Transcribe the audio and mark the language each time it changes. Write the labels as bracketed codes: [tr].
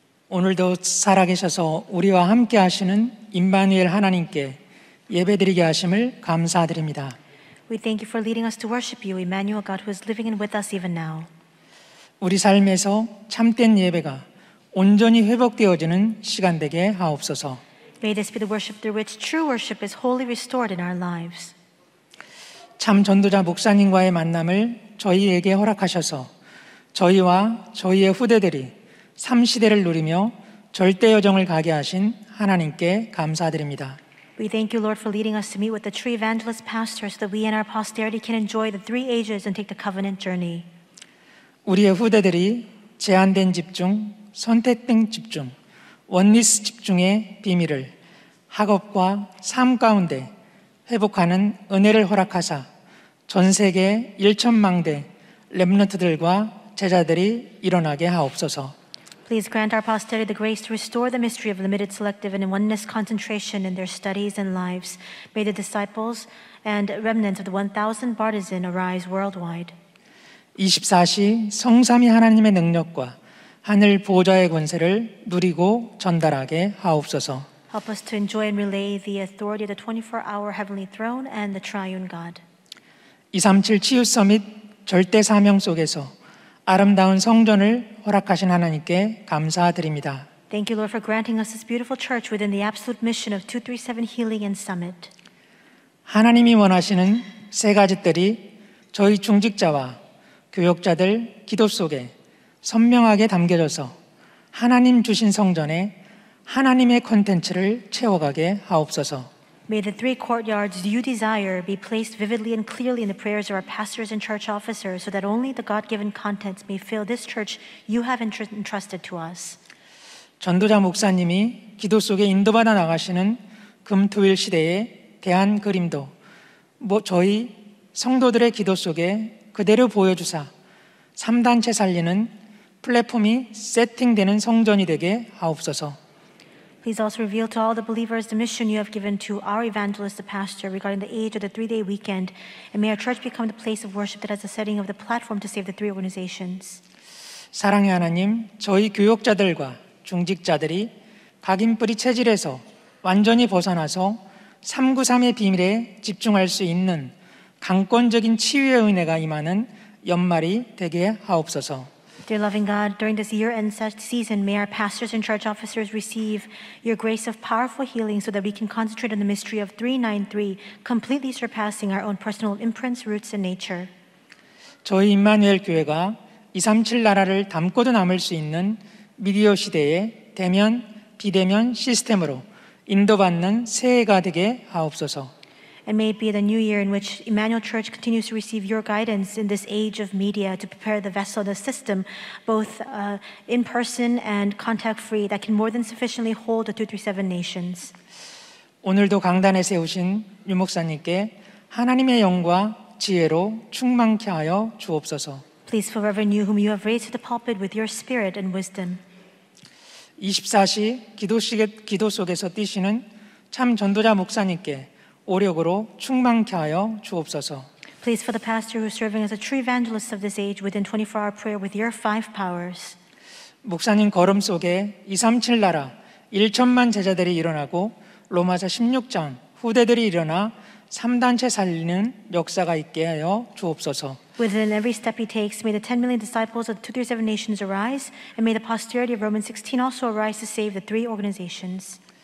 [ko] 오늘도 살아계셔서 우리와 함께 하시는 임마누엘 하나님께 예배드리게 하심을 감사드립니다. [en] We thank you for leading us to worship you, Emmanuel God, who is living with us even now. [ko] 우리 삶에서 참된 예배가 온전히 회복되어지는 시간 되게 하옵소서. [en] May this be the worship through which true worship is wholly restored in our lives. [ko] 참 전도자 목사님과의 만남을 저희에게 허락하셔서 저희와 저희의 후대들이 삼시대를 누리며 절대 여정을 가게 하신 하나님께 감사드립니다. [en] We thank you, Lord, for leading us to meet with the true evangelist pastor so that we and our posterity can enjoy the three ages and take the covenant journey. [ko] 우리의 후대들이 제한된 집중, 선택된 집중, 원리스 집중의 비밀을 학업과 삶 가운데 회복하는 은혜를 허락하사 전 세계 1천망대 렘넌트들과 제자들이 일어나게 하옵소서. [en] Please grant our posterity the grace to restore the mystery of limited selective and oneness concentration in their studies and lives. May the disciples and remnants of the 1,000 partisan arise worldwide. [ko] 24시 성삼위 하나님의 능력과 하늘 보좌의 권세를 누리고 전달하게 하옵소서. [en] Help us to enjoy and relay the authority of the 24-hour heavenly throne and the triune God. [ko] 237 치유 서밋 절대 사명 속에서 아름다운 성전을 허락하신 하나님께 감사드립니다. [en] Thank you, Lord, for granting us this beautiful church within the absolute mission of 237 Healing and Summit. [ko] 하나님이 원하시는 세 가지 뜻이 저희 중직자와 교역자들 기도 속에 선명하게 담겨져서 하나님 주신 성전에 하나님의 콘텐츠를 채워가게 하옵소서. [en] May the three courtyards you desire be placed vividly and clearly in the prayers of our pastors and church officers so that only the God-given contents may fill this church you have entrusted to us. [ko] 전도자 목사님이 기도 속에 인도받아 나가시는 금토일 시대에 대한 그림도 뭐 저희 성도들의 기도 속에 그대로 보여주사 3단체 살리는 플랫폼이 세팅되는 성전이 되게 하옵소서. [en] Please also reveal to all the believers the mission you have given to our evangelist, the pastor, regarding the age of the three-day weekend, and may our church become the place of worship that has the setting of the platform to save the three organizations. [ko] 사랑의 하나님, 저희 교역자들과 중직자들이 각인뿌리 체질에서 완전히 벗어나서 393의 비밀에 집중할 수 있는 강권적인 치유의 은혜가 임하는 연말이 되게 하옵소서. [en] Dear loving God, during this year-end season, may our pastors and church officers receive your grace of powerful healing so that we can concentrate on the mystery of 393, completely surpassing our own personal imprints, roots, and nature. [ko] 저희 임마누엘 교회가 237 나라를 담고도 남을 수 있는 미디어 시대의 대면, 비대면 시스템으로 인도받는 새해가 되게 하옵소서. [en] And may it be the new year in which Emmanuel Church continues to receive your guidance in this age of media to prepare the vessel, the system, both in person and contact-free that can more than sufficiently hold the 237 nations. [ko] 오늘도 강단에 세우신 유 목사님께 하나님의 영과 지혜로 충만케 하여 주옵소서. [en] Please for Reverend New, whom you have raised to the pulpit with your spirit and wisdom. [ko] 24시 기도 속에서 뛰시는 참 전도자 목사님께 오력으로 충만케 하여 주옵소서. [en] Please for the pastor who is serving as a true evangelist of this age within 24-hour prayer with your five powers. [ko] 목사님 걸음 속에 237 나라 1천만 제자들이 일어나고 로마서 16장 후대들이 일어나 3단체 살리는 역사가 있게 하여 주옵소서. [en] Within every step he takes, may the 10 million disciples of the 237 nations arise and may the posterity of Romans 16 also arise to save the three organizations.